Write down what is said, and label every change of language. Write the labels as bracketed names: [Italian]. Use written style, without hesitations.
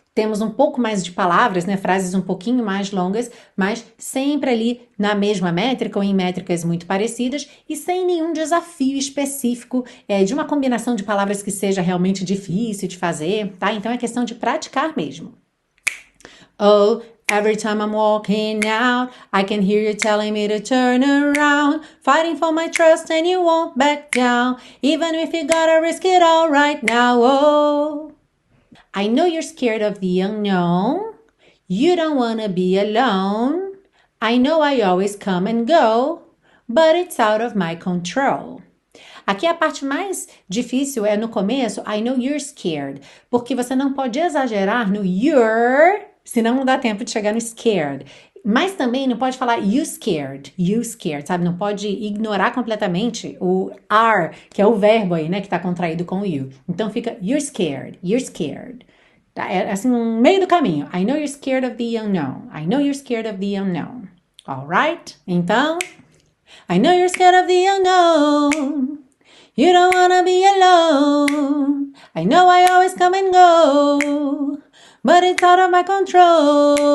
[Portuguese] Temos um pouco mais de palavras, né? Frases um pouquinho mais longas, mas sempre ali na mesma métrica ou em métricas muito parecidas e sem nenhum desafio específico de uma combinação de palavras que seja realmente difícil de fazer, tá? Então é questão de praticar mesmo. [English] Oh, every time I'm walking out, I can hear you telling me to turn around. Fighting for my trust and you won't back down. Even if you gotta risk it all right now, oh. I know you're scared of the unknown. You don't wanna be alone. I know I always come and go, but it's out of my control. [Portuguese] Aqui a parte mais difícil é no começo, I know you're scared, porque você não pode exagerar no you're, senão não dá tempo de chegar no scared. Mas também não pode falar you scared, sabe? Não pode ignorar completamente o are, que é o verbo aí, né? Que tá contraído com o you. Então fica you're scared, é assim no meio do caminho. [English] I know you're scared of the unknown. I know you're scared of the unknown. All right? Então, I know you're scared of the unknown. You don't wanna be alone. I know I always come and go. But it's out of my control.